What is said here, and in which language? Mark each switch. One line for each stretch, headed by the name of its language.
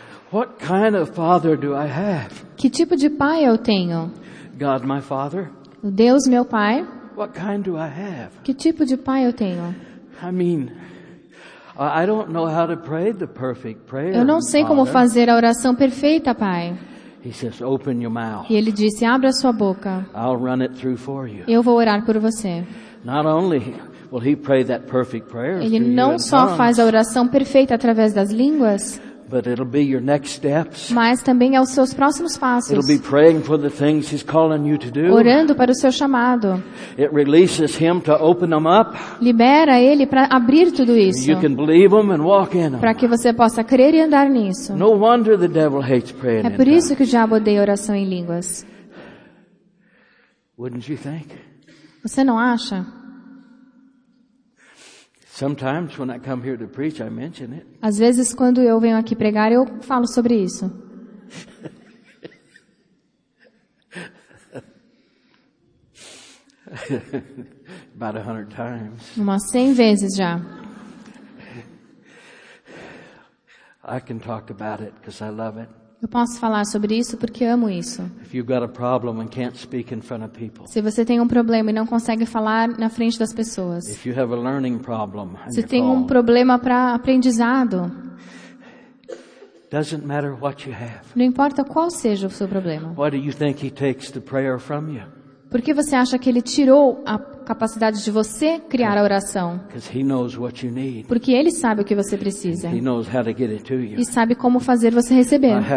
English: What kind of father do I have?
Portuguese: Que tipo de pai eu tenho?
English: God, my father.
Portuguese: Deus, meu pai.
English: What kind do I have?
Portuguese: Que tipo de pai eu tenho?
English: I mean, I don't know how to pray the perfect prayer.
Portuguese: Eu não sei como fazer a oração perfeita, pai.
English: He says, open your mouth.
Portuguese: E ele disse, abra sua boca.
English: I'll run it through for you.
Portuguese: Eu vou orar por você.
English: Not only will he pray that perfect prayer.
Portuguese: Ele não só faz a oração perfeita através das línguas.
English: But it'll be your next steps.
Portuguese: Mas também é os seus próximos passos.
English: It'll be praying for the things he's calling you to do.
Portuguese: Orando para o seu chamado.
English: It releases him to open them up.
Portuguese: Libera ele para abrir tudo isso.
English: You can believe him and walk in him.
Portuguese: Para que você possa crer e andar nisso.
English: No wonder the devil hates praying in tongues.
Portuguese: É por isso que o diabo odeia oração em línguas.
English: Wouldn't you think?
Portuguese: Você não acha?
English: Sometimes when I come here to preach, I mention it.
Portuguese: Às vezes quando eu venho aqui pregar, eu falo sobre isso.
English: About 100 times.
Portuguese: Umas 100 vezes já.
English: I can talk about it because I love it.
Portuguese: Eu posso falar sobre isso porque amo isso.
English: If you've got a problem and can't speak in front of people.
Portuguese: Se você tem um problema e não consegue falar na frente das pessoas.
English: If you have a learning problem.
Portuguese: Se tem um problema para aprendizado.
English: Doesn't matter what you have.
Portuguese: Não importa qual seja o seu problema.
English: Why do you think he takes the prayer from you?
Portuguese: Por que você acha que ele tirou a capacidade de você criar a oração? Porque ele sabe o que você precisa. E sabe como fazer você receber.